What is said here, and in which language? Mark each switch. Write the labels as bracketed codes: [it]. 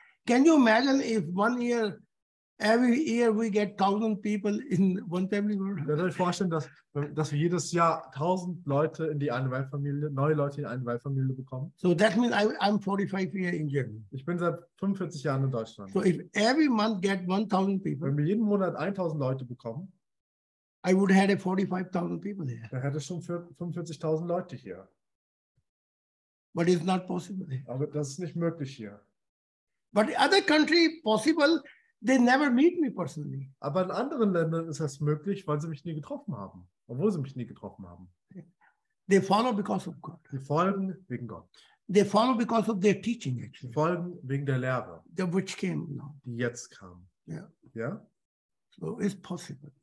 [en] Can you imagine if 1 year, every year we get 1000 people in one family world? [de] Könnt ihr euch vorstellen, dass wir jedes Jahr 1000 Leute in die eine Weltfamilie, neue Leute in eine Weltfamilie bekommen? [en] So that means I'm 45 years in Germany. [de] Ich bin seit 45 Jahren in Deutschland. [en] So if every month get 1000 people. [de] Wenn wir jeden Monat 1000 Leute bekommen. [en] I would have 45,000 people here. [de] Dann hätte schon 45,000 Leute hier. [en] But it's not possible. [de] Aber das ist nicht möglich hier. [en] But the other country possible, they never meet me personally. [de] Aber in anderen Ländern ist das möglich, weil sie mich nie getroffen haben. Obwohl sie mich nie getroffen haben. [en] They follow because of God. [de] Sie folgen wegen Gott. [en] They follow because of their teaching actually. [de] Sie folgen wegen der Lehre. [en] The which came now. [de] Die jetzt kam. [en] Yeah. [de] Ja? [en] So it's possible.